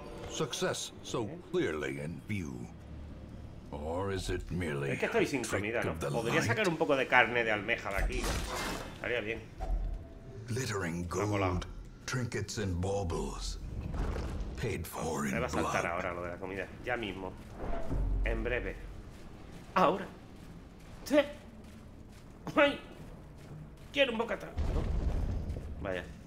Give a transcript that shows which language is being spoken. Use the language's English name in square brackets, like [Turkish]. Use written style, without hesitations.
[English] Success so clearly in view, or is it merely [Spanish] a trick of the light? Podría sacar un poco de carne de almeja de aquí. Haría bien. [English] Glittering gold, trinkets and baubles, paid for in blood. [Spanish] Me va a saltar ahora lo de la comida, ya mismo, en breve. Ahora. ¿Sí? Ay, quiero un bocata. ¿No? Vaya.